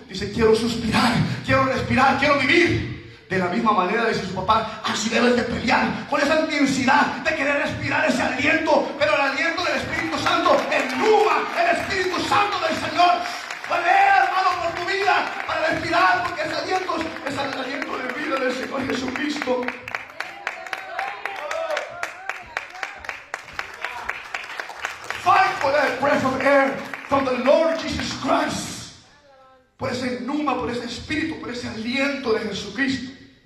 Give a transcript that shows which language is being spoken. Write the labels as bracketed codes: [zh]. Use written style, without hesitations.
[es] Dice: quiero suspirar, quiero respirar, quiero vivir. De la misma manera, dice su papá, así debes de pelear, con esa intensidad de querer respirar ese aliento, pero el aliento del Espíritu Santo ennuba el Espíritu Santo del Señor. Pelea, hermano, por tu vida, para respirar, porque ese aliento es el aliento de vida del Señor Jesucristo. [en] Fight for that breath of air from the Lord Jesus Christ. [es] Por ese ennuba, por ese espíritu, por ese aliento de Jesucristo.